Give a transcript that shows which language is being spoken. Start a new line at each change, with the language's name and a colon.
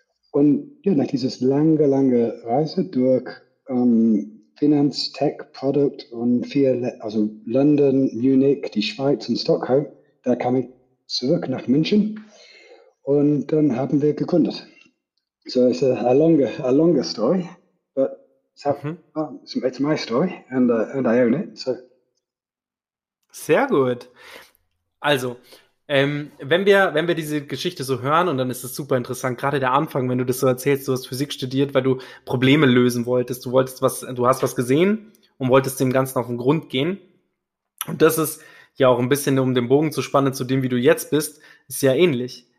German: Und ja, nach dieser lange Reise durch Finanz, Tech, Product und vier, also London, Munich, die Schweiz und Stockholm, da kam ich zurück nach München und dann haben wir gegründet.
English: So it's a longer story, but it's my story and I own it. So.
German: Sehr gut. Also, wenn wir diese Geschichte so hören, und dann ist es super interessant, gerade der Anfang, wenn du das so erzählst, du hast Physik studiert, weil du Probleme lösen wolltest, du hast was gesehen und wolltest dem Ganzen auf den Grund gehen. Und das ist ja auch ein bisschen, um den Bogen zu spannen zu dem, wie du jetzt bist, ist ja ähnlich.